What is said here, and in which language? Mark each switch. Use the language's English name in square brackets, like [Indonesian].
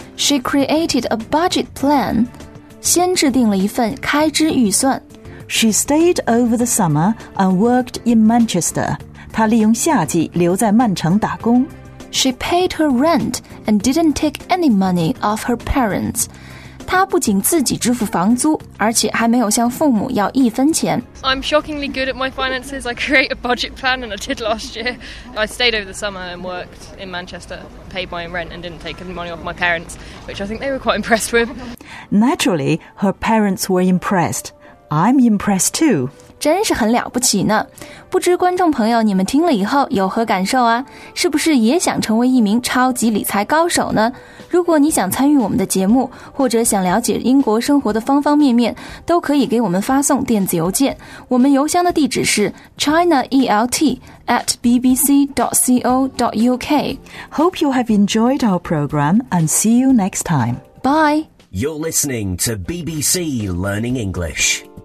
[English] She created a budget plan. [Chinese] 先制定了一份开支预算。 [English] She stayed over the summer and worked in Manchester. [Chinese] 她利用夏季留在曼城打工。 [English] She paid her rent and didn't take any money off her parents. [Chinese] 她不仅自己支付房租，而且还没有向父母要一分钱。 [English] I'm shockingly good at my finances. I create a budget plan and I did last year. I stayed over the summer and worked in Manchester, paid my rent and didn't take any money off my parents, which I think they were quite impressed with. Naturally, her parents were impressed. I'm impressed too. [Chinese] 真是很了不起呢。不知观众朋友你们听了以后有何感受啊？是不是也想成为一名超级理财高手呢？如果你想参与我们的节目，或者想了解英国生活的方方面面，都可以给我们发送电子邮件。我们邮箱的地址是 chinaelt@bbc.co.uk. [English] Hope you have enjoyed our program and see you next time. Bye! You're listening to BBC Learning English.